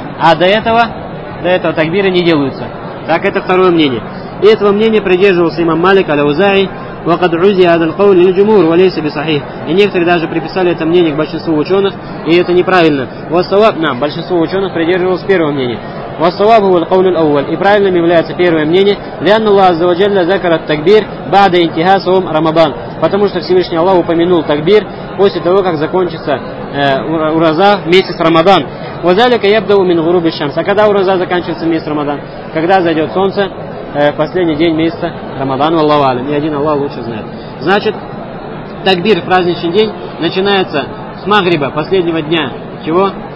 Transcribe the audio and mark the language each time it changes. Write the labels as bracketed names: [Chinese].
[Russian] А до этого такбиры не делаются. Так, это второе мнение. И этого мнения придерживался имам Малик аль-Аузаи, [Arabic] وقد عزي هذا القول للجمهور وليس بصحيح. [Russian] И некоторые даже приписали это мнение к большинству ученых, и это неправильно. [Arabic] والصواب نعم, [Russian] большинство ученых придерживалось первого мнения. [Arabic] والصواب هو القول الاول. [Russian] И правильным является первое мнение. [Arabic] لأن الله عز وجل ذكر التكبير بعد انتهاء صوم رمضان. [Russian] Потому что Всевышний Аллах упомянул такбир после того, как закончится ураза месяц Рамадан. [Arabic] وذلك يبدأ من غروب الشمس. [Russian] А когда ураза заканчивается месяц Рамадан? Когда зайдет солнце последний день месяца Рамадан, [Arabic] валлаху алям. [Russian] И один Аллах лучше знает. Значит, такбир, праздничный день, начинается с Магриба, последнего дня чего?